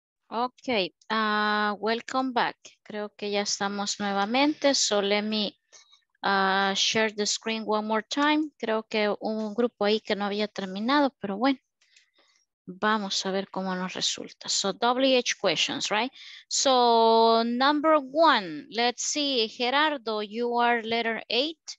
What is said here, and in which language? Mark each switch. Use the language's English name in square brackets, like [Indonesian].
[English] Okay, welcome back. [Spanish] Creo que ya estamos nuevamente. [English] So let me share the screen one more time. [Spanish] Creo que hubo un grupo ahí que no había terminado, pero bueno, vamos a ver cómo nos resulta. [English] So WH questions, right? So number one, let's see, Gerardo, you are letter 8.